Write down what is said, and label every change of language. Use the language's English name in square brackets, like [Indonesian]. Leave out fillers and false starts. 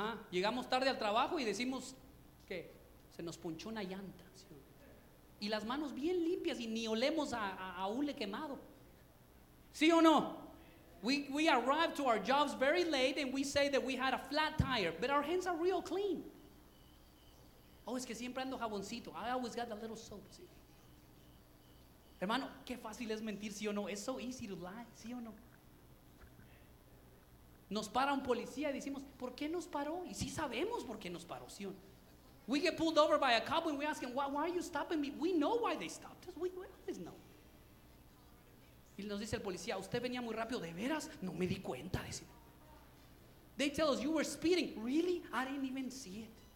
[Spanish] Llegamos tarde al trabajo y decimos que se nos ponchó una llanta. Y las manos bien limpias y ni olemos a hule quemado. ¿Sí o no? [English] We arrive to our jobs very late and we say that we had a flat tire, but our hands are real clean. [Spanish] Oh, es que siempre ando jaboncito. [English] I always got a little soap. [Spanish] ¿Sí? Hermano, qué fácil es mentir, ¿sí o no? [English] It's so easy to lie, [Spanish] ¿sí o no? Nos para un policía y decimos, ¿por qué nos paró? Y sí sabemos por qué nos paró, ¿sí o no? [English] We get pulled over by a cop and we ask him, why are you stopping me? We know why they stopped us. We always know. [Spanish] Y nos dice el policía, usted venía muy rápido, ¿de veras? No me di cuenta. [English] They tell us, you were speeding. Really? I didn't even see it.